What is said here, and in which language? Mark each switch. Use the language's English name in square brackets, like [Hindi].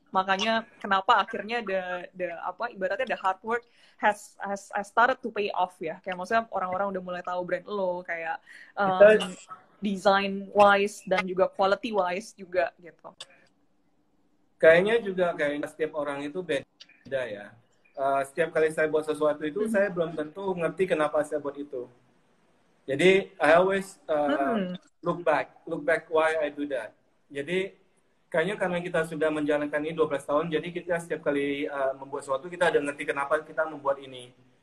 [Indonesian] Makanya kenapa akhirnya [English] the [Indonesian] apa ibaratnya [English] the hard work has started to pay off ya. [Indonesian] Kayak maksudnya orang-orang udah mulai tahu brand lu kayak design wise dan juga quality wise juga gitu. Kayaknya juga kayaknya setiap orang itu beda ya. Setiap kali saya buat sesuatu itu saya belum tentu ngerti kenapa saya buat itu. [English] Jadi I always look back why I do that. [Indonesian] Jadi kayaknya karena kita sudah menjalankan ini 12 tahun, jadi kita setiap kali membuat sesuatu kita ada ngerti kenapa kita membuat ini.